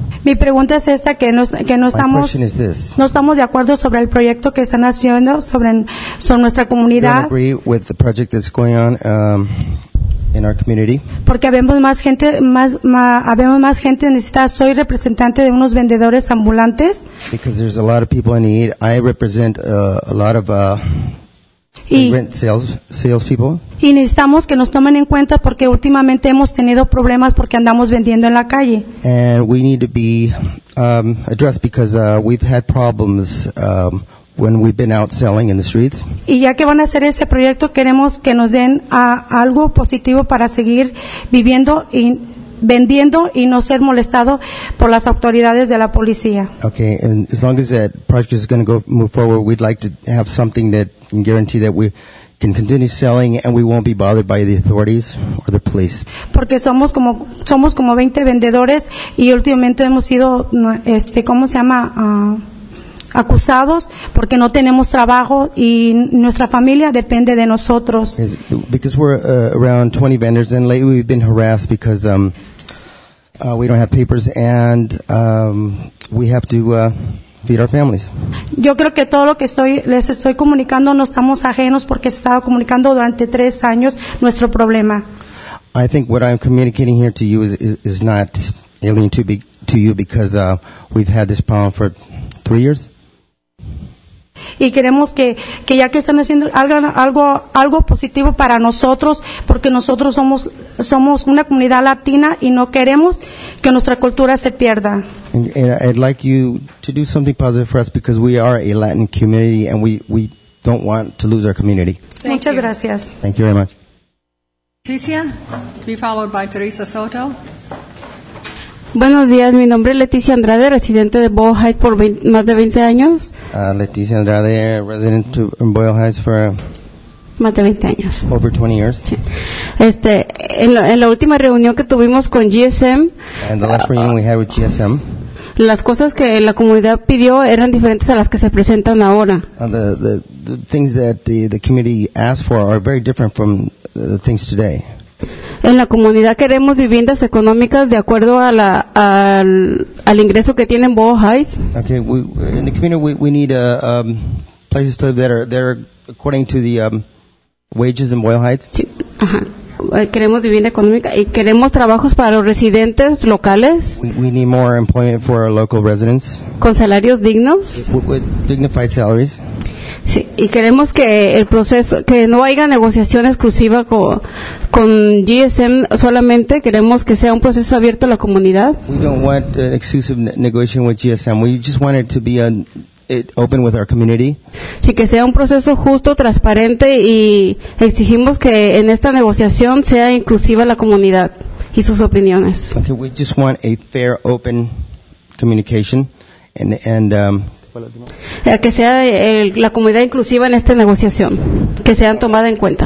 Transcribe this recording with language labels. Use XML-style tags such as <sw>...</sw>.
<es>Mi pregunta es esta, que no estamos de acuerdo sobre el proyecto que están haciendo sobre nuestra comunidad.</es> <en>We don't agree with the project that's going on in our community.</en> <es>Porque habemos más gente necesitada. Soy representante de unos vendedores ambulantes.</es> <en>Because there's a lot of people in need. I represent a lot of immigrant sales people.</en> <es>Y necesitamos que nos tomen en cuenta porque últimamente hemos tenido problemas porque andamos vendiendo en la calle.</es> <en>And we need to be addressed because we've had problems when we've been out selling in the streets.</en> <es>Y ya que van a hacer ese proyecto, queremos que nos den algo positivo para seguir viviendo y vendiendo y no ser molestado por las autoridades de la policía.</es> <en>Okay, and as long as that project is going to move forward, we'd like to have something that can guarantee that we can continue selling and we won't be bothered by the authorities or the police.</en> <es>Porque somos como 20 vendedores y últimamente hemos sido acusados porque no tenemos trabajo y nuestra familia depende de nosotros.</es> <en>Because we're around 20 vendors and lately we've been harassed because we don't have papers and we have to feed our families.</en> <es>Yo creo que todo lo que les estoy comunicando no estamos ajenos porque se ha estado comunicando durante 3 años nuestro problema.</es> <en>I think what I'm communicating here to you is not alien to you because we've had this problem for 3 years.</en> <es>Y queremos que ya que están haciendo algo positivo para nosotros porque nosotros somos una comunidad latina y no queremos que nuestra cultura se pierda.</es> <en>And I'd like you to do something positive for us because we are a Latin community and we don't want to lose our community.</en> <es>Muchas gracias.</es> <en>Thank you very much. Leticia, be followed by Teresa Soto.</en> <es>Buenos días, mi nombre es Leticia Andrade, residente de Boyle Heights por más de 20 años.</es> <en>Leticia Andrade, resident in Boyle Heights for</en> <es>más de 20 años.</es> <en>Over 20 years.</en> <es>Sí. En la última reunión que tuvimos con GSM,</es> <en>and the last reunion we had with GSM,</en> <es>las cosas que la comunidad pidió eran diferentes a las que se presentan ahora.</es> <en>The things that the community asked for are very different from the things today.</en> <es>En la comunidad queremos viviendas económicas de acuerdo a la al ingreso que tienen Boyle Heights.</es> <en>Okay, in the community we need places to live that are according to the wages in Boyle Heights.</en> <es>Sí. Ajá. Queremos vivienda económica y queremos trabajos para los residentes locales.</es> <en>We need more employment for our local residents.</en> <es>Con salarios dignos.</es> <en>With dignified salaries.</en> <es>Sí, y queremos que el proceso, que no haya negociación exclusiva con GSM solamente, queremos que sea un proceso abierto a la comunidad.</es> <en>We don't want an exclusive negotiation with GSM. We just want it to be it open with our community.</en> <es>Sí, que sea un proceso justo, transparente y exigimos que en esta negociación sea inclusiva la comunidad. y sus opiniones.</es> <en>Okay, we just want a fair, open communication,</en> <es>que sea la comunidad inclusiva en esta negociación, que sean tomada en cuenta.</es>